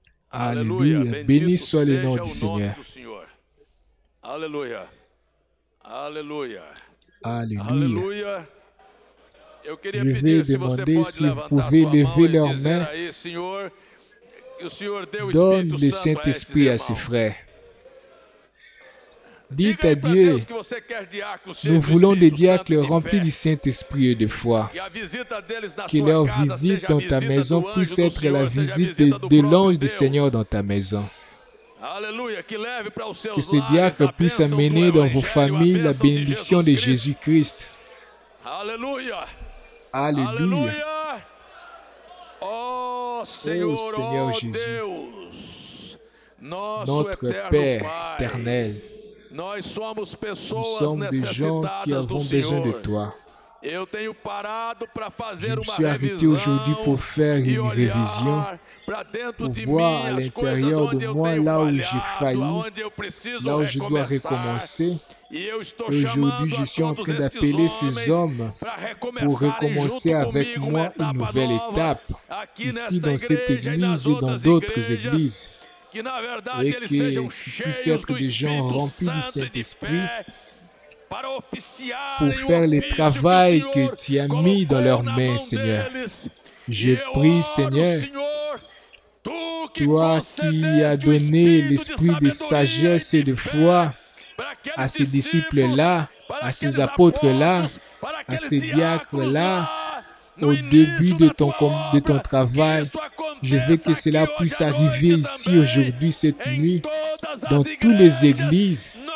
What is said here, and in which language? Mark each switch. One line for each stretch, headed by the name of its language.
Portuguese: Aleluia, bendito seja o nome do Senhor. Aleluia, aleluia, aleluia, aleluia. Eu queria pedir se você pode levantar sua mão e dizer aí, Senhor, que o Senhor deu o Espírito Santo a esses irmãos.
French: Dites à Dieu, nous voulons des diacres remplis du Saint-Esprit et de foi. Que leur visite dans ta maison puisse être la visite de l'ange du Seigneur dans ta maison. Que ce diacre puisse amener dans vos familles la bénédiction de Jésus-Christ. Alléluia. Alléluia. Oh Seigneur Jésus, notre Père éternel,
Portuguese: nós somos pessoas necessitadas do Senhor.
French: De toi.
Portuguese: Eu tenho parado para fazer uma revisão e olhar para dentro de mim as coisas onde eu tenho falhado,
French: failli,
Portuguese: onde eu preciso recomeçar. E eu estou chamando
French: je suis en train d'appeler ces hommes pour recommencer avec moi une nouvelle étape
Portuguese: aqui
French: ici dans cette église et dans d'autres églises.
Portuguese: Que na verdade eles sejam cheios
French: être
Portuguese: do
French: gens
Portuguese: Espírito Santo de fé para oficiar
French: pour faire le travail que tu as mis dans leurs mains, Seigneur. Je prie, Seigneur, toi qui as donné l'esprit de sagesse et de foi à ces disciples-là, à ces apôtres-là, à ces diacres-là, au début de ton travail, je veux que cela puisse arriver ici aujourd'hui, cette nuit, dans toutes les églises.